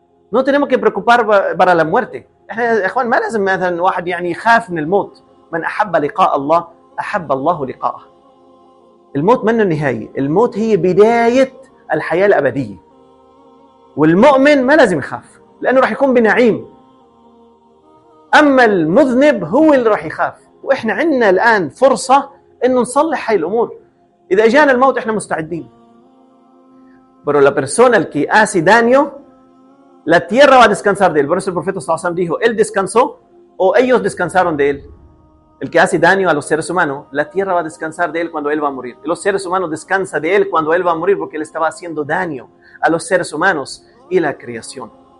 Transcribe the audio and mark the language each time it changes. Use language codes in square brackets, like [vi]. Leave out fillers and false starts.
[es] No tenemos que preocupar para la muerte. Juan, ¿no es que un hombre se preocupa por la muerte? [ar] Man ahabba liqa'a Allah, ahabba Allah liqa'a. [es] El muerte no es el final. El muerte es la [ar] bidayat al hayal abadiyya. [es] Y el mu'min no es que se preocupa. Porque va a ser un na'im. [ar] أما المذنب هو اللي راح يخاف. وإحنا عندنا الآن فرصة إنه نصلح هاي الأمور. إذا جانا الموت إحنا مستعدين. [es] Pero la persona que hace daño, la tierra va a descansar de él. Por eso el profeta [ar] صلى الله عليه وسلم [es] dijo, él descansó o ellos descansaron de él. El que hace daño a los seres humanos, la tierra va a descansar de él cuando él va a morir. Los seres humanos descansan de él cuando él va a morir porque él estaba haciendo daño a los seres humanos y la creación.